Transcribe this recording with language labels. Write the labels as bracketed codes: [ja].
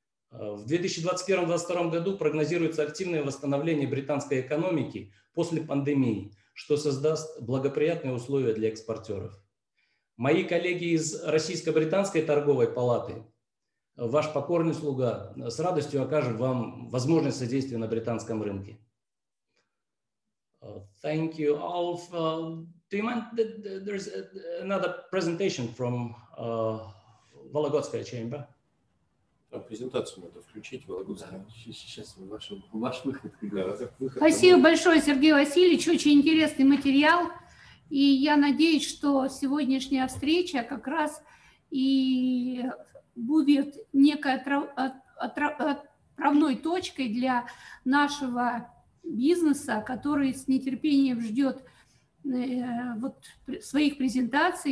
[ru] В 2021-2022 году прогнозируется активное восстановление британской экономики после пандемии, что создаст благоприятные условия для экспортеров. Мои коллеги из Российско-британской торговой палаты, ваш покорный слуга, с радостью окажет вам возможность содействия на британском рынке. [en] Thank you, Alf. Do you mind that there's another presentation from Vologodskaya Chamber? [ru] Презентацию надо включить, Вологодская. Сейчас ваш выход. Спасибо большое, Сергей Васильевич. Очень интересный материал. И я надеюсь, что сегодняшняя встреча как раз и будет некой отправной точкой для нашего бизнеса, который с нетерпением ждет вот своих презентаций.